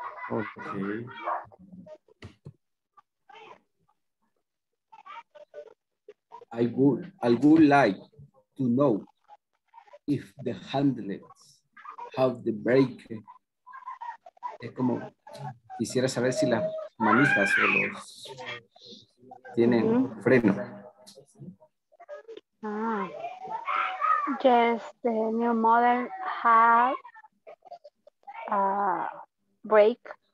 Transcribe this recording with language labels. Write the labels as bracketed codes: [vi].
[en] Okay. I would like to know if the handlers have the brake. [es] Es como quisiera saber si las manijas o los tienen freno. [en] Ah, yes, the new model has a brake.